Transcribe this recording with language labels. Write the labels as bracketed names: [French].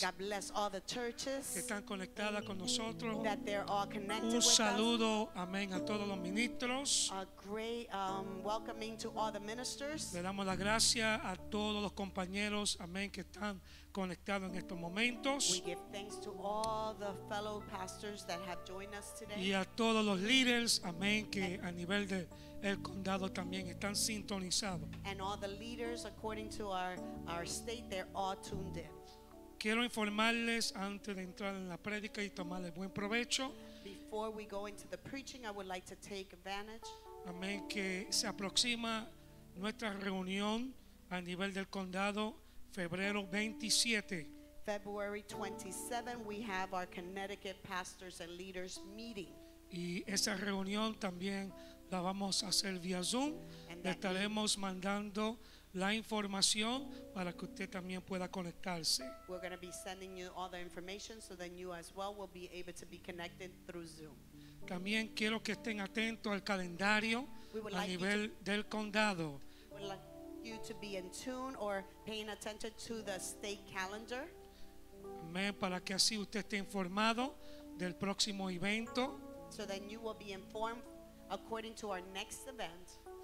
[English] God bless all the churches [Spanish] que están conectadas con nosotros. [English] That they're all connected with us. [Spanish] Un saludo, amén, a todos los ministros. [English] A great welcoming to all the ministers. [Spanish] Le damos las gracias a todos los compañeros, amén, que están conectados en estos momentos. [English] We give thanks to all the fellow pastors that have joined us today. [Spanish] Y a todos los líderes, amén, que a nivel de el condado también están sintonizados. [English] And all the leaders according to our state, they're all tuned in. [Spanish] Quiero informarles antes de entrar en la prédica y tomarle buen provecho. [English] Before we go into the preaching, I would like to take advantage. [Spanish] Amén, que se aproxima nuestra reunión a nivel del condado, febrero 27. [English] February 27, we have our Connecticut pastors and leaders meeting. [Spanish] Y esa reunión también la vamos a hacer vía Zoom. Le estaremos mandando la información para que usted también pueda conectarse. [English] We're going to be sending you all the information so then you as well will be able to be connected through Zoom. [Spanish] También quiero que estén atentos al calendario a nivel del condado. [English] We would like you to be in tune or paying attention to the state calendar. [Spanish] Amén, para que así usted esté informado del próximo evento. [English] So then you will be informed according to our next event.